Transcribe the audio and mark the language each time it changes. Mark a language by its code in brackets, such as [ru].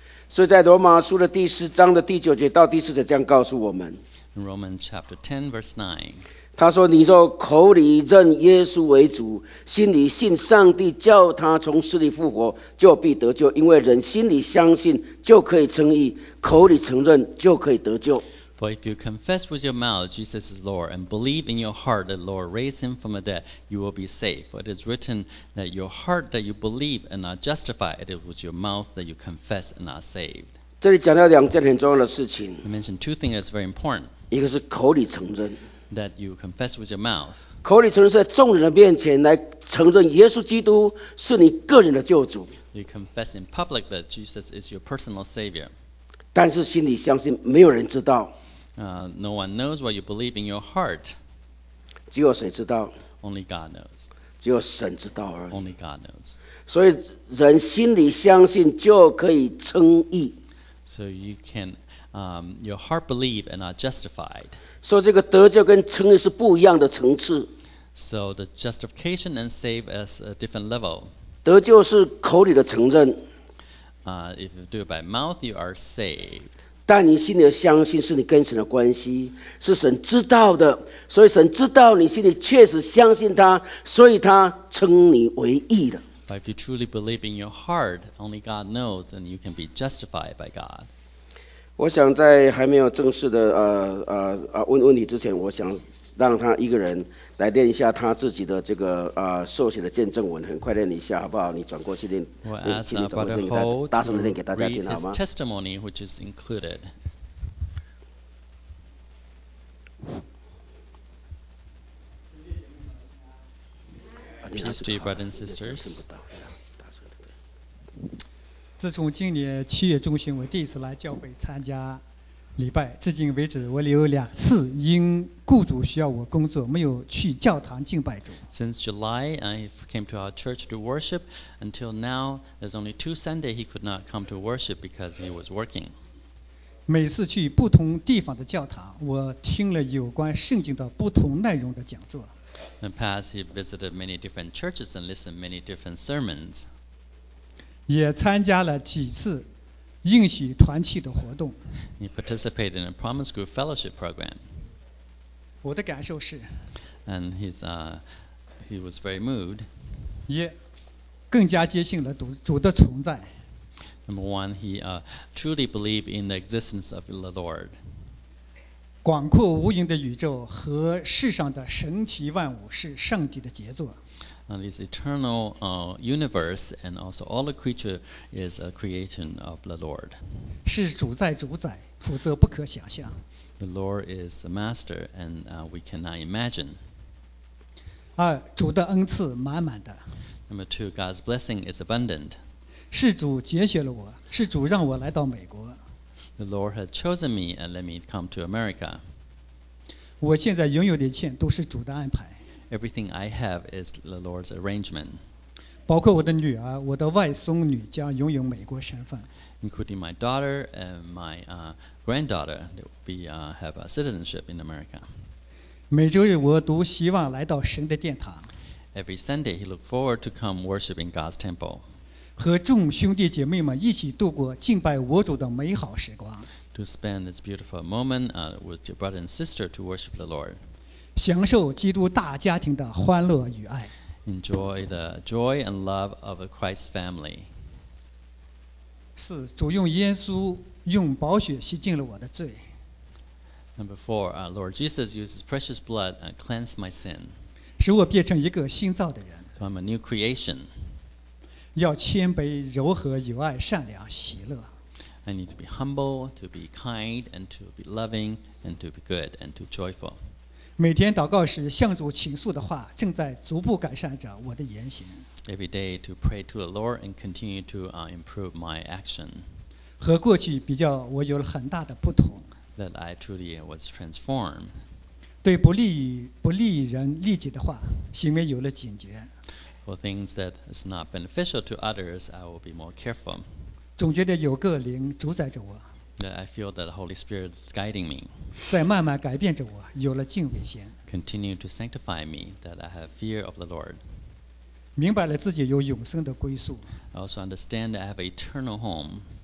[zh] 所以在罗马书的第十章的第九节到第十节这样告诉我们。 [en] In Romans chapter 10 verse 9. [zh] 他说你若口里认耶稣为主，心里信上帝叫他从死里复活，就必得救，因为人心里相信就可以称义，口里承认就可以得救。 [en] For if you confess with your mouth Jesus is Lord, and believe in your heart that the Lord raised him from the dead, you will be saved. For it is written that your heart that you believe and are justified, it is with your mouth that you confess and are saved. [zh] 这里讲到两件很重要的事情。 [en] I mentioned two things that's very important. [zh] 一个是口里承认。 [en] That you confess with your mouth. [zh] 口里承认在众人的面前来承认耶稣基督是你个人的救主。 [en] You confess in public that Jesus is your personal savior. [zh] 但是心里相信没有人知道。 [en] No one knows what you believe in your heart. [zh] 只有谁知道？ [en] Only God knows. [zh] 只有神知道而已。 [en] Only God knows. [zh] 所以人心里相信就可以称义。 [en] So you can, your heart believe and are justified. [zh] 所以这个得救跟称义是不一样的层次。 [en] So the justification and save is a different level. [zh] 得救是口里的承认。 [en] If you do it by mouth, you are saved. [zh] 但你心里的相信是你跟神的关系，是神知道的，所以神知道你心里确实相信他，所以他称你为义的。 [en] But if you truly believe in your heart, only God knows, and you can be justified by God. [zh] 我想在还没有正式的问问题之前，我想让他一个人来念一下他自己的这个受洗的见证文，很快念一下好不好？你转过去念，请你转过去大声的念给大家听好吗 [en] ？Testimony which is included. Peace to you, brothers and sisters. [zh] 自从今年七月中旬我第一次来教会参加礼拜，至今为止我有两次因雇主需要我工作没有去教堂敬拜主。 [en] Since July, I came to our church to worship. Until now, there's only two Sundays he could not come to worship because he was working. [zh] 每次去不同地方的教堂，我听了有关圣经的不同内容的讲座。 [en] In the past, he visited many different churches and listened to many different sermons. [zh] 也参加了几次应许团契的活动。 [en] He participated in a Promise Group Fellowship program. [zh] 我的感受是 [en] And he was very moved. [zh] 也更加坚信了主的存在。 [en] Number one, he truly believed in the existence of the Lord. [zh] 广阔无垠的宇宙和世上的神奇万物是上帝的杰作。 [en] This eternal universe and also all the creature is a creation of the Lord. [zh] 是主宰主宰，否则不可想象。 [en] The Lord is the master and we cannot imagine. [zh] 二，主的恩赐满满的。 [en] Number two, God's blessing is abundant. [zh] 是主拣选了我，是主让我来到美国。 [en] The Lord had chosen me and let me come to America. [zh] 我现在拥有的一切都是主的安排。 [en] Everything I have is the Lord's arrangement. [zh] 包括我的女儿，我的外孙女将拥有美国身份。 [en] Including my daughter and my granddaughter, they will have a citizenship in America. [zh] 每周日我都希望来到神的殿堂。 [en] Every Sunday he looked forward to come worshiping God's temple. [zh] 和众兄弟姐妹们一起度过敬拜我主的美好时光。 [en] To spend this beautiful moment with your brother and sister to worship the Lord. [zh] 享受基督大家庭的欢乐与爱。 [en] Enjoy the joy and love of a Christ family. [zh] 是主用耶稣用宝血洗净了我的罪。 [en] Number four, Lord Jesus uses precious blood cleanse my sin. [zh] 使我变成一个新造的人。 [en] So I'm a new creation. [zh] 要谦卑、柔和、有爱、善良、喜乐。 [en] I need to be humble, to be kind, and to be loving, and to be good, and to joyful. [zh] 每天祷告时向主倾诉的话正在逐步改善着我的言行。 [en] Every day to pray to the Lord and continue to improve my action. [zh] 和过去比较我有了很大的不同。 [en] That I truly was transformed. [zh] 对不利人利己的话行为有了警觉。 [en] For things that is not beneficial to others, I will be more careful. [zh] 总觉得有个灵主宰着我。 [en] That I feel that the Holy Spirit is guiding me. [zh] 在慢慢改变着我，有了敬畏心。 [en] Continue to sanctify me, that I have fear of the Lord. [zh] 明白了自己有永生的归宿。 [en] I also understand that I have an eternal home.